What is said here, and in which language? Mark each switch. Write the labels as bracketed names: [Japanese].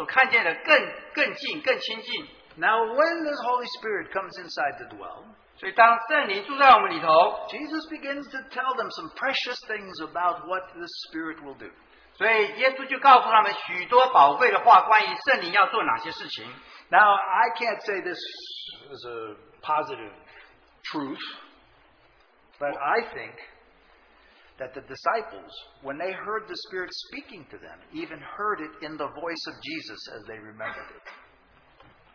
[Chinese] 但是现在由于圣灵住在我们里头，我们看到耶稣就比那些当时那些肉眼看见耶稣的人，我们所看见的更近、更亲近。 [English] Now, when the Holy Spirit comes inside to dwell, [Chinese] 所以当圣灵住在我们里头, [English] Jesus begins to tell them some precious things about what the Spirit will do. [Chinese] 所以耶稣就告诉他们许多宝贵的话，关于圣灵要做哪些事情。 [English] Now, I can't say this is a positive truth, but I think that the disciples, when they heard the Spirit speaking to them, even heard it in the voice of Jesus as they remembered it.